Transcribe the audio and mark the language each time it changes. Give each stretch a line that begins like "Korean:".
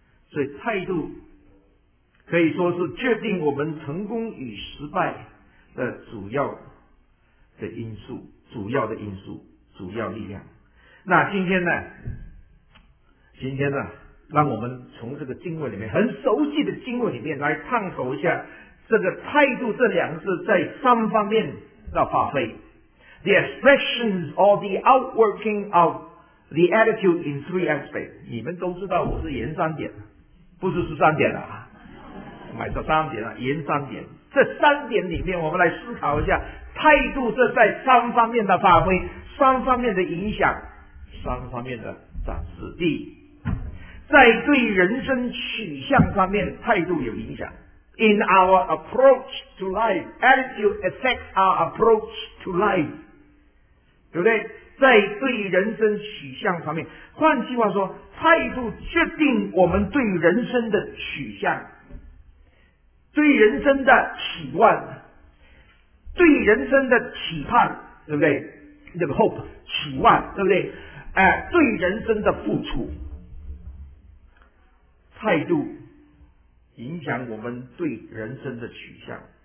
Chinese: 所以态度可以说是决定我们成功与失败的主要力量。那今天呢，让我们从这个经文里面，很熟悉的经文里面来探索一下这个态度这两个字在三方面的发挥。
English: The expressions or the outworking of the attitude in three aspects.
Chinese: 你们都知道我是言三点，不是十三点啊，买十三点啊，言三点。这三点里面我们来思考一下态度是在三方面的发挥，三方面的影响，三方面的展示。第一，在对人生取向方面态度有影响。
English: In our approach to life, attitude affects our approach to life，
Chinese: 对不对？在对人生取向方面，换句话说，态度决定我们对人生的取向，对人生的期望，对人生的期盼，对不对？那个 hope 期望，对不对？对人生的付出，态度影响我们对人生的取向。